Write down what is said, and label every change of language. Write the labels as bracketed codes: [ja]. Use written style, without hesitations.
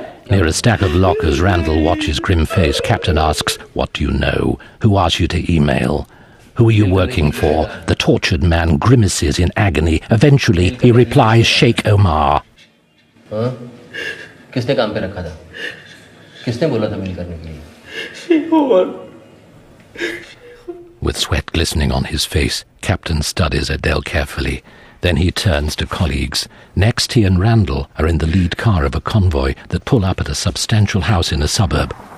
[en] Near a stack of lockers, Randall watches grim face. Captain asks, what do you know? Who asked you to email? Who are you working for? The tortured man grimaces in agony. Eventually, he replies, Sheikh Omar. [hi] किसने काम पे रखा था किसने बोला था मिल करने के लिए [en] With sweat glistening on his face, Captain studies Adele carefully. Then he turns to colleagues. Next, he and Randall are in the lead car of a convoy that pull up at a substantial house in a suburb.